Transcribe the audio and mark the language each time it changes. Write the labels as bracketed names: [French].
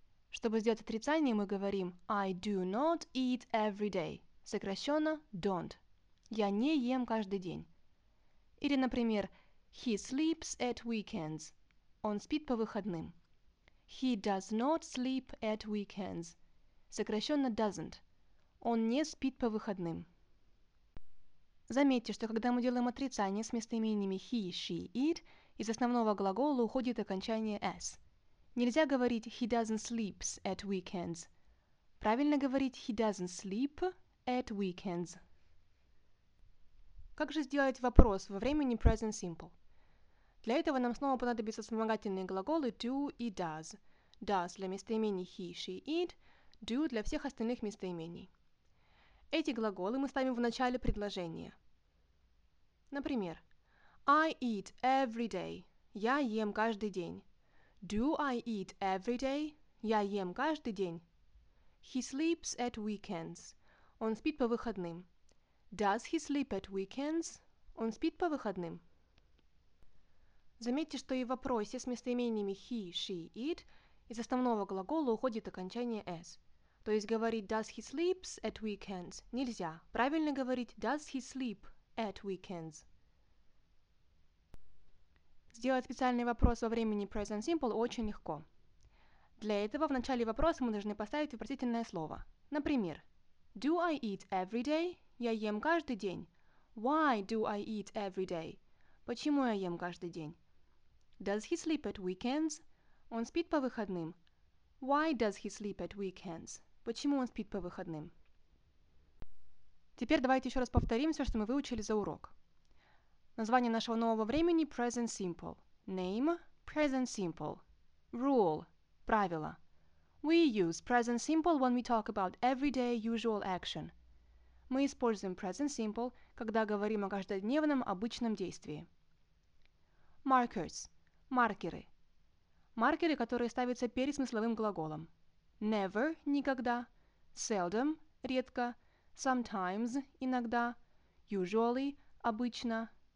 [Russian] Чтобы сделать отрицание, мы говорим [English] I do not eat every day, [Russian] сокращенно don't. Я не ем каждый день. Или, например, [English] he sleeps at weekends. [Russian] Он спит по выходным. [English] He does not sleep at weekends. [Russian] Сокращенно doesn't. Он не спит по выходным. Заметьте, что когда мы делаем отрицание с местоимениями he, she, it, из основного глагола уходит окончание s. Нельзя говорить [English] he doesn't sleep at weekends. [Russian] Правильно говорить [English] he doesn't sleep at weekends. [Russian] Как же сделать вопрос во времени present simple? Для этого нам снова понадобятся вспомогательные глаголы do и does. Does для местоимений he, she, it, do для всех остальных местоимений. Эти глаголы мы ставим в начале предложения. Например, [English] I eat every day. [Russian] Я ем каждый день. [English] Do I eat every day? [Russian] Я ем каждый день. [English] He sleeps at weekends. [Russian] Он спит по выходным. [English] Does he sleep at weekends? [Russian] Он спит по выходным. Заметьте, что и в вопросе с местоимениями he, she, it из основного глагола уходит окончание s. То есть говорить [English] «Does he sleeps at weekends?» [Russian] нельзя. Правильно говорить [English] «Does he sleep at weekends?» [Russian] Сделать специальный вопрос во времени present simple очень легко. Для этого в начале вопроса мы должны поставить вопросительное слово. Например, [English] «Do I eat every day?» [Russian] Я ем каждый день. [English] «Why do I eat every day?» [Russian] Почему я ем каждый день? [English] «Does he sleep at weekends?» [Russian] Он спит по выходным. [English] «Why does he sleep at weekends?» [Russian] Почему он спит по выходным? Теперь давайте еще раз повторим все, что мы выучили за урок. Название нашего нового времени – present simple. [English] Name – present simple. Rule – правило. We use present simple when we talk about everyday usual action. [Russian] Мы используем present simple, когда говорим о каждодневном обычном действии. Markers – маркеры. Маркеры, которые ставятся перед смысловым глаголом. [English] Never – никогда. Seldom – редко. Sometimes – иногда. Usually – обычно.